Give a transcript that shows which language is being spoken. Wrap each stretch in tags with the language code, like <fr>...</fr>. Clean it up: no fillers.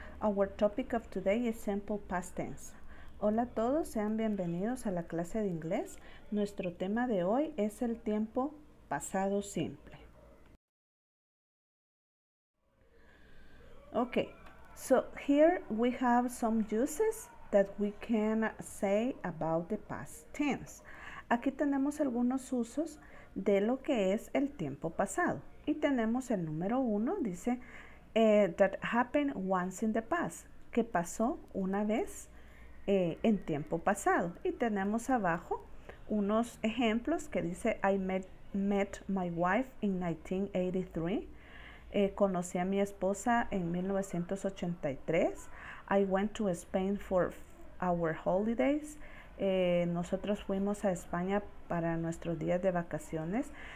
<en>Our topic of today is simple past tense.</en> <es>Hola a todos, sean bienvenidos a la clase de inglés. Nuestro tema de hoy es el tiempo pasado simple.</es> <en>Okay, so here we have some uses that we can say about the past tense.</en> <es>Aquí tenemos algunos usos de lo que es el tiempo pasado. Y tenemos el número uno, dice, that happened once in the past, que pasó una vez en tiempo pasado. Y tenemos abajo unos ejemplos que dice, I met my wife in 1983, conocí a mi esposa en 1983, I went to Spain for our holidays, nosotros fuimos a España para nuestros días de vacaciones.</es>